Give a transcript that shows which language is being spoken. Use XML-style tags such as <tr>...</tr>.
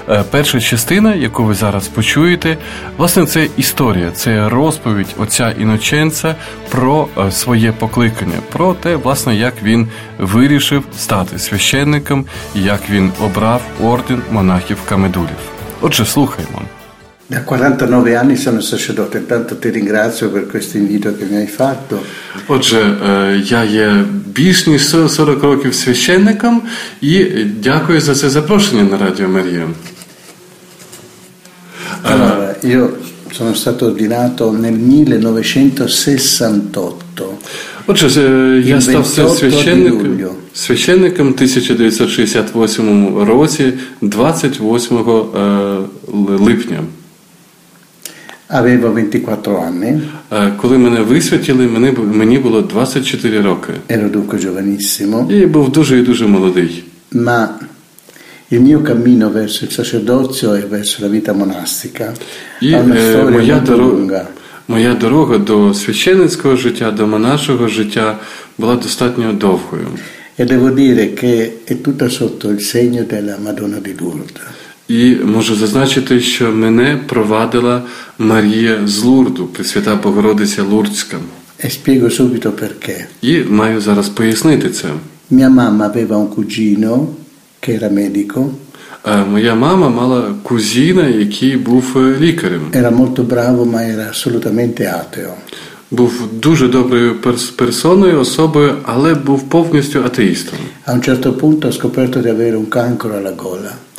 <uk>Перша частина, яку ви зараз почуєте, власне, це історія, це розповідь отця Іноченцо про своє покликання, про те, власне, як він вирішив стати священником, як він обрав орден монахів-камедурів. Отже, слухаємо.</uk> <it>Da 49 anni sono sacerdote, intanto ti ringrazio per questo invito che mi hai fatto.</it> <uk>Отже, я є більш ніж 40 років священником і дякую за це запрошення на Радіо Марія.</uk> <it>Allora, io sono stato ordinato nel 1968.</it> <uk>Отже, я став священником 1968 році, 28 липня.</uk> <it>Avevo 24 anni.</it> <uk>Коли мене висвятили, мені було 24 роки.</uk> <it>Ero dunque giovanissimo.</it> <uk>І був дуже і дуже молодий.</uk> <it>Ma il mio cammino verso il sacerdozio e verso la vita monastica ha una storia molto lunga.</it> <uk>Моя дорога до священницького життя, до монашого життя була достатньо довгою.</uk> <it>E devo dire che è tutta sotto il segno della Madonna di Lourdes.</it> <uk>І можу зазначити, що мене провадила Марія з Лурду, Пресвята Богородиця Лурдська.</uk> <it>E spiego subito perché.</it> <uk>І маю зараз пояснити це.</uk> <it>Mia mamma aveva un cugino che era medico.</it> <uk>Моя мама мала кузіна, який був лікарем.</uk> <it>Era molto bravo, ma era assolutamente ateo.</it> <uk>Був дуже доброю персоною, особою, але був повністю атеїстом.</uk> <it>A un certo punto ha scoperto di avere un cancro alla gola.</it>